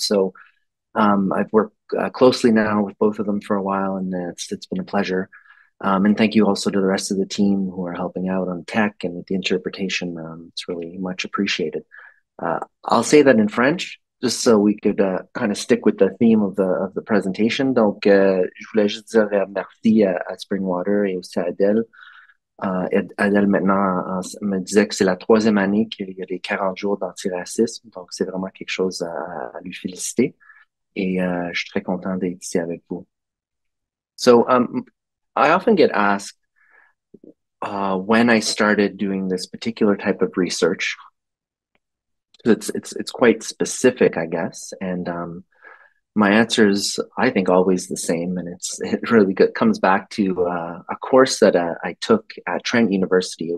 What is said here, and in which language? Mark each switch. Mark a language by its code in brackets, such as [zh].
[en] So I've worked closely now with both of them for a while, and it's been a pleasure. And thank you also to the rest of the team who are helping out on tech and with the interpretation. It's really much appreciated. I'll say that in French, just so we could kind of stick with the theme of the presentation. [fr] Donc, je voulais juste dire merci à Springwater et aussi à Adele. Adele, maintenant, me disait que c'est la troisième année qu'il y a les 40 jours d'antiracisme. Donc, c'est vraiment quelque chose à lui féliciter. Et je suis très content d'être ici avec vous. [en] So, I often get asked when I started doing this particular type of research. It's quite specific, I guess, and my answer is, I think, always the same, and it really comes back to a course that I took at Trent University.